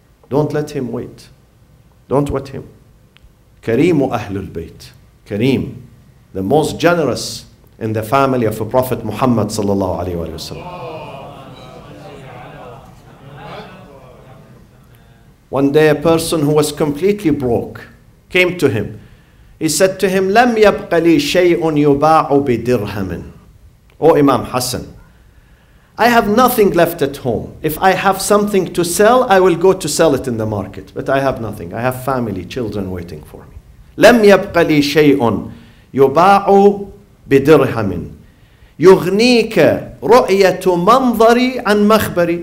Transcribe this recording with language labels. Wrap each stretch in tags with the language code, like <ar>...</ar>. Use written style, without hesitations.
<en>Don't let him wait. Don't wait him. Kareem wa Ahlul Bayt. Kareem, the most generous in the family of the Prophet Muhammad sallallahu alayhi wa sallam. One day a person who was completely broke came to him. He said to him,</en> <ar>لَمْ يَبْقَ لِي شَيْءٌ يُبَاعُ بِدِرْهَمٍ.</ar> <en>O Imam Hassan, I have nothing left at home. If I have something to sell, I will go to sell it in the market. But I have nothing. I have family, children waiting for me.</en> <ar>لَمْ يَبْقَ لِي شَيْءٌ يُبَاعُ بِدِرْهَمٍ يُغْنِيكَ رُؤْيَةُ مَنْظَرِي عَنْ مَخْبَرِي.</ar>